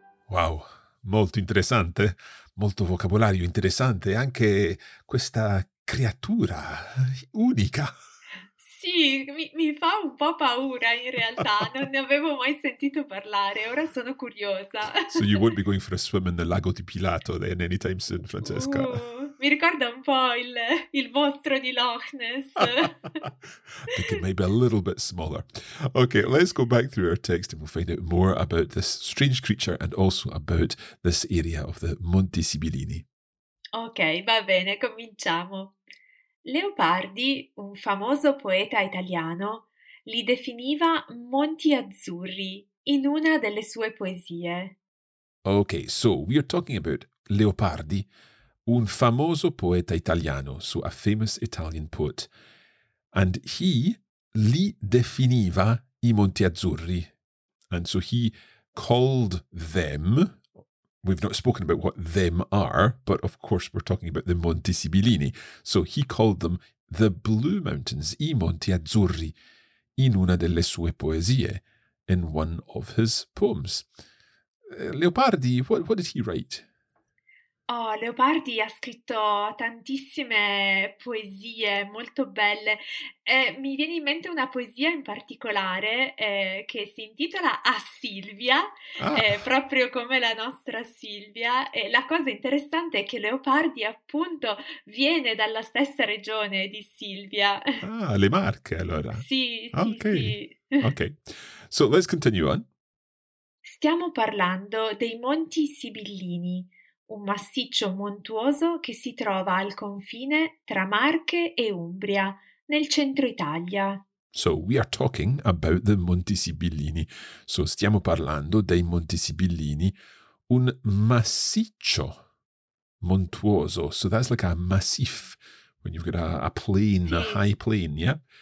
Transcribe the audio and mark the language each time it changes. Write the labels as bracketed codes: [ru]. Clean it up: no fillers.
[it] Wow, molto interessante, molto vocabolario interessante, anche questa creatura unica. Sì, mi fa un po' paura in realtà, non ne avevo mai sentito parlare, ora sono curiosa. [en] So you won't be going for a swim in the lago di Pilato then anytime soon, Francesca. [it] Mi ricorda un po' il mostro di Loch Ness. [en] I think it may be a little bit smaller. Okay, let's go back through our text and we'll find out more about this strange creature and also about this area of the Monte Sibillini. [it] Ok, va bene, cominciamo. Leopardi, un famoso poeta italiano, li definiva monti azzurri in una delle sue poesie. [en] Okay, so we are talking about Leopardi, [it] un famoso poeta italiano, [en] so a famous Italian poet. And he [it] li definiva i monti azzurri. [en] And so he called them, we've not spoken about what them are, but of course we're talking about the Monti Sibillini. So he called them the Blue Mountains, i Monti Azzurri, [it] in una delle sue poesie, [en] in one of his poems. Leopardi, what did he write? [it] Oh, Leopardi ha scritto tantissime poesie molto belle. Mi viene in mente una poesia in particolare che si intitola A Silvia, proprio come la nostra Silvia. E la cosa interessante è che Leopardi appunto viene dalla stessa regione di Silvia. Ah, le Marche allora. Sì, sì, okay. [en] Sì. Ok, so let's continue on. [it] Stiamo parlando dei Monti Sibillini, un massiccio montuoso che si trova al confine tra Marche e Umbria, nel centro Italia. [en] So, we are talking about the Monti Sibillini. [it] So, stiamo parlando dei Monti Sibillini, un massiccio montuoso. [en] So, that's like a massif, when you've got a plain, sì. A high plain, yeah?